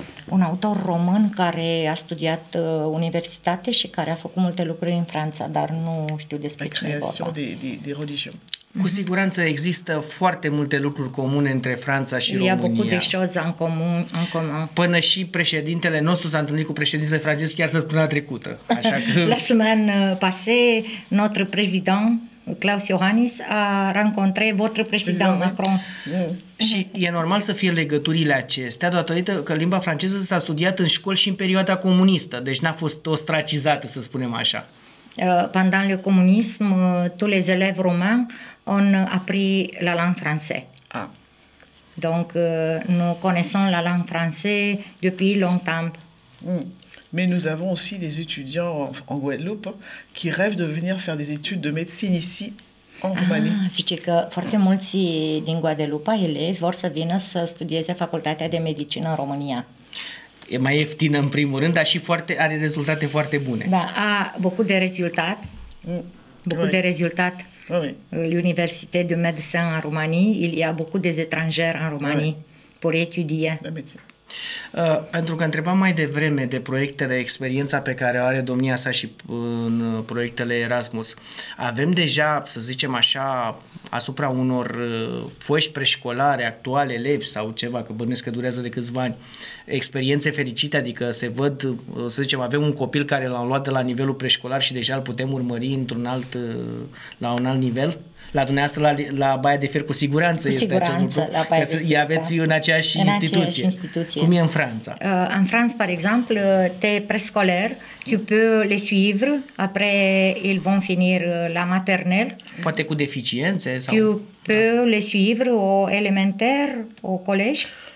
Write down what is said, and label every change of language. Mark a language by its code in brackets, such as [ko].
[ro] Un autor român care a studiat universitate și care a făcut multe lucruri în Franța, dar nu știu despre cine vorba. La creația [fr] de religion. [ro] Cu siguranță există foarte multe lucruri comune între Franța și România. [fr] Il y a beaucoup de choses en commun, en commun. [ro] Până și președintele nostru s-a întâlnit cu președintele francez chiar săptămâna trecută. Așa că... [fr] La semaine passée, notre président Klaus Iohannis a rencontrat votre président Macron. [ro] Și e normal să fie legăturile acestea, datorită că limba franceză s-a studiat în școli și în perioada comunistă, deci n-a fost ostracizată, să spunem așa. [fr] Pendant le communisme, tous les élèves romains ont appris la langue française. Ah. Donc, nous connaissons la langue française depuis longtemps. Mais nous avons aussi des étudiants en Guadeloupe qui rêvent de venir faire des études de médecine ici, en Roumanie. [ro] Ah, zice că foarte mulți din Guadeloupe, elevi, vor să vină să studieze facultatea de medicină în România. E mai ieftină în primul rând, dar și foarte, are rezultate foarte bune. Da, [fr] a beaucoup de rezultat. Beaucoup de rezultat. L'Université de Médecins en Roumanie, il y a beaucoup des étrangers en Roumanie pour étudier. [ro] Pentru că întrebam mai devreme de proiectele, experiența pe care o are domnia sa și în proiectele Erasmus. Avem deja, să zicem așa, asupra unor foști preșcolare, actuale, elevi sau ceva, că bănuiesc că durează de câțiva ani, experiențe fericite, adică se văd, să zicem, avem un copil care l-a luat de la nivelul preșcolar și deja îl putem urmări într-un alt, la un alt nivel? La dumneavoastră, la Baia de Fier, cu siguranță, cu siguranță este acest lucru. La Baia de Fier, îi aveți da. În aceeași în instituție. Aceeași instituție. Cum e în Franța? În Franța, [fr] par exemple, te prescolaire, tu peux les suivre, après ils vont finir la maternelle. [ro] Poate cu deficiențe? Sau... [fr] Tu peux les suivre au élémentaire, au collège?